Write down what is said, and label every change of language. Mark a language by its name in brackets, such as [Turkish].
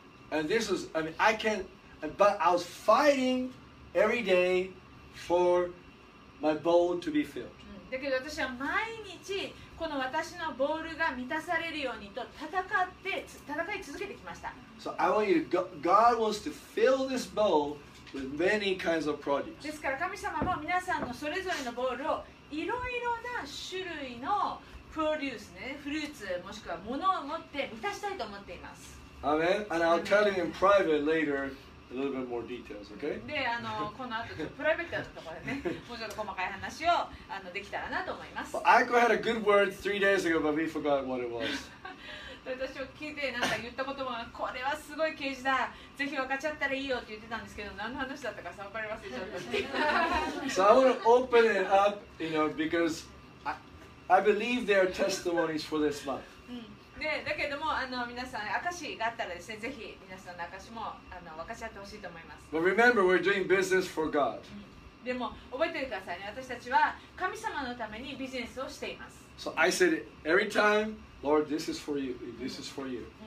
[English] And this was, I mean, I can, but I was fighting every day for my bowl to be filled. [Japanese] だけど私は毎日この私のボールが満たされるようにと戦い続けてきました。 [English] So I want you to, God wants to fill this bowl with many kinds of produce. [Japanese] ですから神様も皆さんのそれぞれのボールをいろいろな種類のアメン。 [English] And I'll tell you in private later a little bit more details, okay? [Japanese] で、この後ちょっとプライベートのところでね、もうちょっと細かい話をできたらなと思います。 [English] Well, Aiko had a good word 3 days ago, but we forgot what it was. [Japanese] 私を聞いて何か言った言葉が、これはすごい啓示だ、ぜひ分かっちゃったらいいよって言ってたんですけど、何の話だったかさ、分かりますでしょうか。 [English] So I want to open it up, you know, becauseI believe there are testimonies for this month. [Japanese] で、だけども、皆さん、証があったらですね、ぜひ皆さんの証も分かち合ってほしいと思います。 [English] But remember, we're doing business for God. [Japanese] でも、覚えてくださいね。私たちは神様のためにビジネスをしています。 [English] So I said, every time Lord, this is for you. This is for you.